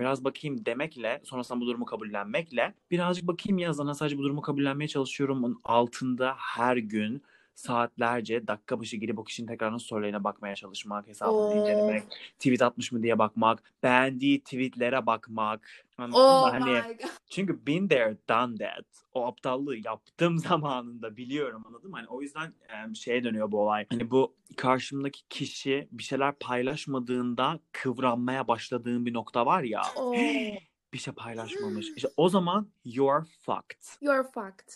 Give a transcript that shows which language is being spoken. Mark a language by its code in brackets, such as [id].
[tr] Biraz bakayım demekle, sonrasında bu durumu kabullenmekle, birazcık bakayım yazana sadece bu durumu kabullenmeye çalışıyorum altında her gün saatlerce dakika başı girip o kişinin tekrardan storylerine bakmaya çalışmak, hesabını incelemek, tweet atmış mı diye bakmak, beğendiği tweetlere bakmak. Hani, çünkü [en] been there, done that. [tr] O aptallığı yaptım zamanında, biliyorum, anladın mı? Hani o yüzden şeye dönüyor bu olay. Hani bu karşımdaki kişi bir şeyler paylaşmadığında kıvranmaya başladığın bir nokta var ya. Bir şey paylaşmamış. İşte o zaman [en] you're fucked. You're fucked.